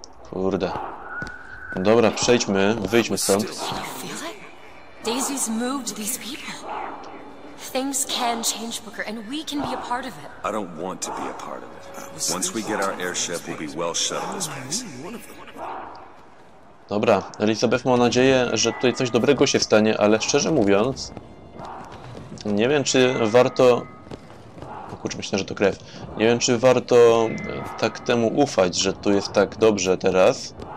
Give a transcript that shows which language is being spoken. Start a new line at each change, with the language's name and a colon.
Polish: Kurde. Dobra, przejdźmy, wyjdźmy stąd.
English: Daisy's moved these people. Things can change, Booker, and we can be a part of it. I don't want to be a part of it. Once we get our airship, we'll be well shut in this place.
Polish: Dobra, Elizabeth ma nadzieję, że tutaj coś dobrego się stanie, ale szczerze mówiąc, nie wiem, czy warto. Kurczę, myślę, że to krew. Nie wiem, czy warto tak temu ufać, że tu jest tak dobrze teraz.